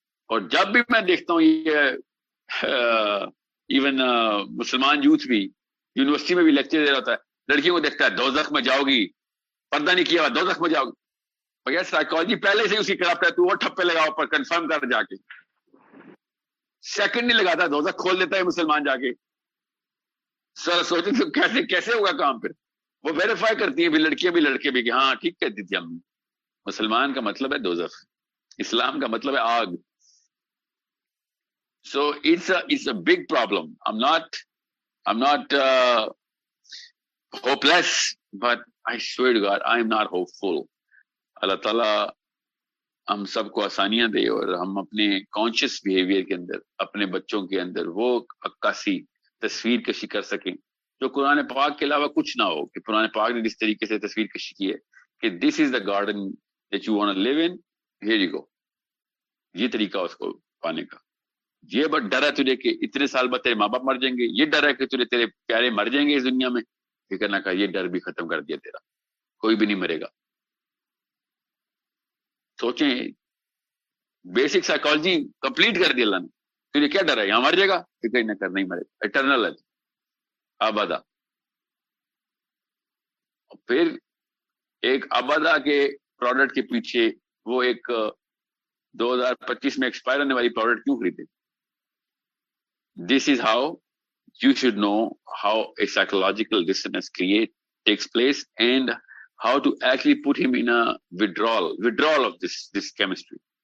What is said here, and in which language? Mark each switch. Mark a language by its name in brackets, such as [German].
[Urdu] اور جب بھی میں دیکھتا ہوں یہ ایون مسلمان یوتھ بھی یونیورسٹی میں بھی لیکچر دے رہا ہوتا ہے, لڑکیوں کو دیکھتا ہے دوزخ میں جاؤ گی, پردہ نہیں کیا ہوا دوزخ میں جاؤ گی, بغیر سائیکالوجی پہلے سے اسی کرافٹ ہے, تو وہ ٹھپے لگاؤ پر کنفرم کر جا کے, سیکنڈ نہیں لگاتا دوزخ کھول دیتا ہے مسلمان جا کے. سر سوچے تو کیسے ہوگا کام, پھر وہ ویریفائی کرتی ہیں بھی لڑکیاں بھی لڑکے بھی کہ ہاں ٹھیک کہتی تھی ہم, مسلمان کا مطلب ہے دوزخ, اسلام کا مطلب ہے آگ. [English] So it's a big problem. I'm not hopeless, but I swear to God, I'm not hopeful. [Urdu] Allah Ta'ala, ہم سب کو آسانیاں دے اور ہم اپنے کانشیس بیہیویئر کے اندر, اپنے بچوں کے اندر وہ عکاسی تصویر کشی کر سکیں جو قرآن پاک کے علاوہ کچھ نہ ہو, کہ قرآن پاک نے جس طریقے سے تصویر کشی کی ہے کہ [English] this is the garden that you want to live in, here you go, [Urdu] یہ طریقہ اس کو پانے کا. یہ بس ڈر ہے تجھے کہ اتنے سال بعد تیرے ماں باپ مر جائیں گے, یہ ڈر ہے کہ تجھے تیرے پیارے مر جائیں گے اس دنیا میں. فکر نہ کر, یہ ڈر بھی ختم کر دیا تیرا, کوئی بھی نہیں مرے گا. سوچیں بیسک سائیکالوجی کمپلیٹ کر دی اللہ نے, تجھے کیا ڈر ہے یہاں مر جائے گا؟ فکر نہ کر, نہیں مرے, اٹرنل ہے آبادا. پھر ایک آبادا کے پروڈکٹ کے پیچھے وہ ایک 2025 میں ایکسپائر ہونے والی پروڈکٹ کیوں خریدے؟ [English] This is how you should know how a psychological dissonance create takes place and how to actually put him in a withdrawal of this chemistry.